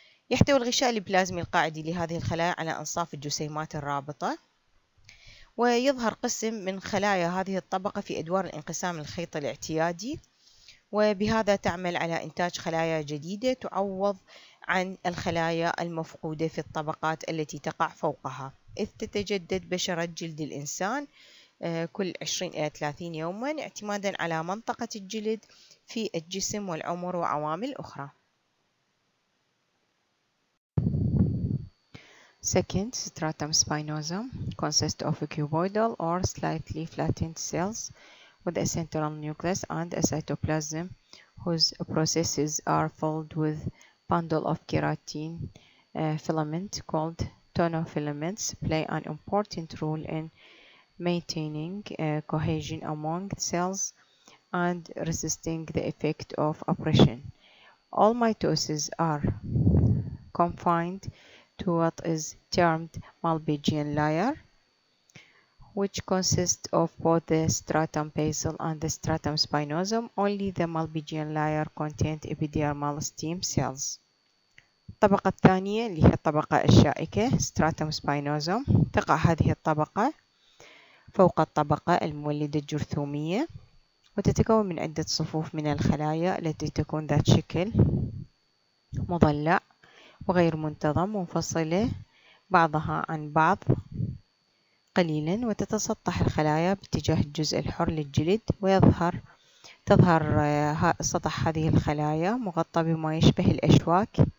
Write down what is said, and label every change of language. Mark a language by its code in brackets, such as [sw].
[ar] يحتوي الغشاء البلازمي القاعدي لهذه الخلايا على أنصاف الجسيمات الرابطة، ويظهر قسم من خلايا هذه الطبقة في أدوار الانقسام الخيط الاعتيادي، وبهذا تعمل على إنتاج خلايا جديدة تعوض عن الخلايا المفقودة في الطبقات التي تقع فوقها، إذ تتجدد بشرة جلد الإنسان كل 20 إلى 30 يوما اعتمادا على منطقة الجلد في الجسم والعمر وعوامل أخرى. [en] Second, stratum spinosum consists of a cuboidal or slightly flattened cells with a central nucleus and a cytoplasm whose processes are filled with bundle of keratin filament called tonofilaments play an important role in maintaining cohesion among cells and resisting the effect of oppression. All mitoses are confined to what is termed Malpighian layer, which consists of both the stratum basal and the stratum spinosum. Only the Malpighian layer contains epidermal stem cells. [ar] الطبقة الثانية اللي هي الطبقة الشائكة stratum spinosum تقع هذه الطبقة فوق الطبقة المولدة الجرثومية وتتكون من عدة صفوف من الخلايا التي تكون ذات شكل مضلع وغير منتظم منفصلة بعضها عن بعض قليلا وتتسطح الخلايا باتجاه الجزء الحر للجلد تظهر سطح هذه الخلايا مغطى بما يشبه الأشواك